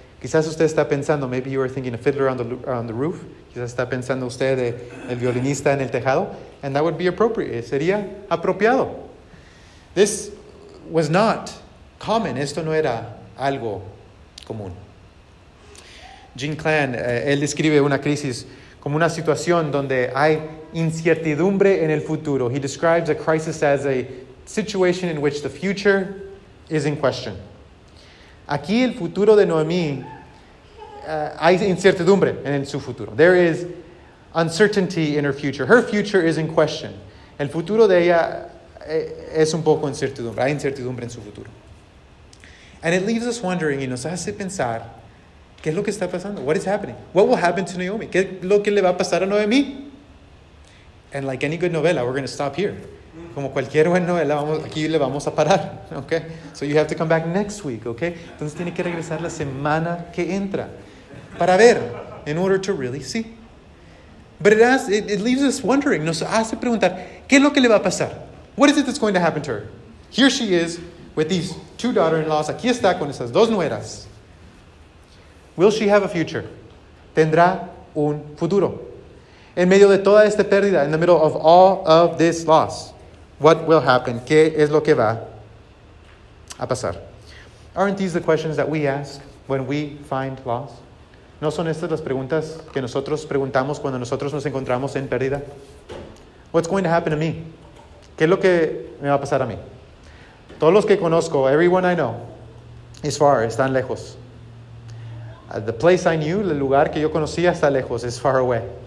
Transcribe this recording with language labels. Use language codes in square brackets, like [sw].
[es] Quizás usted está pensando, [en] maybe you are thinking a fiddler on the roof. [es] Quizás está pensando usted de el violinista en el tejado. [en] And that would be appropriate. [es] Sería apropiado. [en] This was not common. [es] Esto no era algo común. Jean Clan, él describe una crisis como una situación donde hay incertidumbre en el futuro. [en] He describes a crisis as a situation in which the future is in question. [es] Aquí el futuro de Noemí, hay incertidumbre en su futuro. [en] There is uncertainty in her future. Her future is in question. [es] El futuro de ella es un poco incertidumbre. Hay incertidumbre en su futuro. [en] And it leaves us wondering, [es] y nos hace pensar, ¿qué es lo que está pasando? [en] What is happening? What will happen to Naomi? [es] ¿Qué es lo que le va a pasar a Noemí? [en] And like any good novela, we're going to stop here. [es] Como cualquier buena novela, aquí le vamos a parar. [en] Okay? So you have to come back next week, okay? [es] Entonces tiene que regresar la semana que entra para ver, [en] in order to really see. But it leaves us wondering, [es] nos hace preguntar, ¿qué es lo que le va a pasar? [en] What is it that's going to happen to her? Here she is with these two daughter-in-laws. [es] Aquí está con esas dos nueras. [en] Will she have a future? [es] ¿Tendrá un futuro? En medio de toda esta pérdida, [en] in the middle of all of this loss, what will happen? [es] ¿Qué es lo que va a pasar? [en] Aren't these the questions that we ask when we find loss? [es] ¿No son estas las preguntas que nosotros preguntamos cuando nosotros nos encontramos en pérdida? [en] What's going to happen to me? [es] ¿Qué es lo que me va a pasar a mí? Todos los que conozco, [en] everyone I know, is far, [es] están lejos. [en] The place I knew, [es] el lugar que yo conocía, está lejos, [en] is far away.